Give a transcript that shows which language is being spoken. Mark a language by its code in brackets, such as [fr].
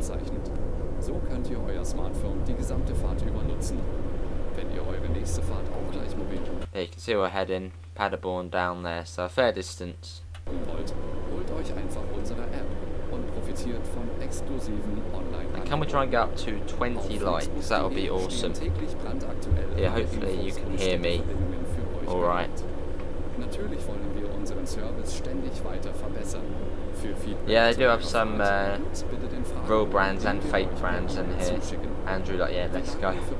[de] So könnt ihr euer Smartphone die gesamte Fahrt über nutzen, wenn ihr eure nächste Fahrt auch gleich mobil tut. [en] You can see we're heading Paderborn down there, so a fair distance. [de] Wollt, holt euch einfach unsere App und profitiert von exklusiven Online-Angeboten. [en] Can we try and get up to 20 likes? That'll be awesome. [de] Täglich brandaktuell. [en] Yeah, hopefully you can hear me. All right. [de] Natürlich wollen wir unseren Service ständig weiter verbessern. [en] Yeah, they do have some real brands and fake brands in here. Andrew, like, yeah, let's go.